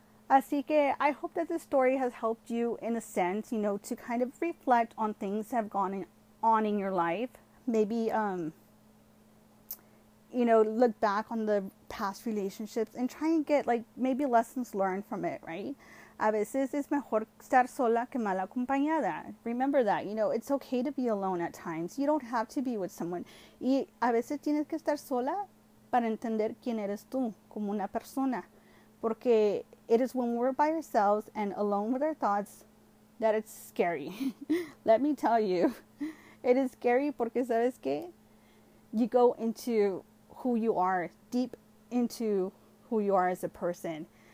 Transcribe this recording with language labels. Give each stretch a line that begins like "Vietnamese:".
Spanish: Así que
English: I hope that this story has helped you in a sense, you know, to kind of reflect on things that have gone on in your life. Maybe, you know, look back on the past relationships and try and get, like, maybe lessons learned from it, right?
Spanish: A veces es mejor estar sola que mal acompañada.
English: Remember that. You know, it's okay to be alone at times. You don't have to be with someone.
Spanish: Y a veces tienes que estar sola para entender quién eres tú como una persona. Porque
English: it is when we're by ourselves and alone with our thoughts that it's scary. Let me tell you. It is scary
Spanish: porque, ¿sabes qué?
English: You go into who you are, deep into who you are as a person.